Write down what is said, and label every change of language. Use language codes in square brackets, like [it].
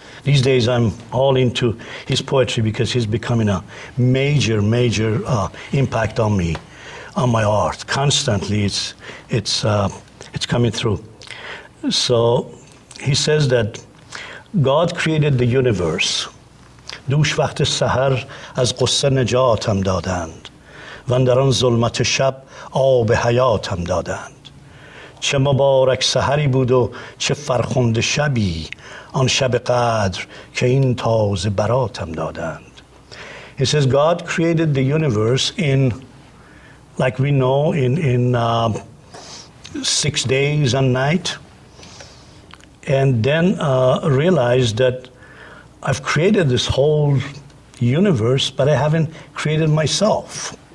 [en] These days I'm all into his poetry because he's becoming a major, major impact on me, on my art. Constantly it's coming through. So he says that God created the universe. [fa] دوش وقت سحر از قصه نجاتم دادند و در آن ظلمت شب آب حیاتم دادند چه مبارک سحری بود و چه فرخنده شبی آن شب قدر که این تازه براتم دادند. [en] He says God created the universe in, like we know, in six days and night, and then realized that I've created this whole universe, but I haven't created myself.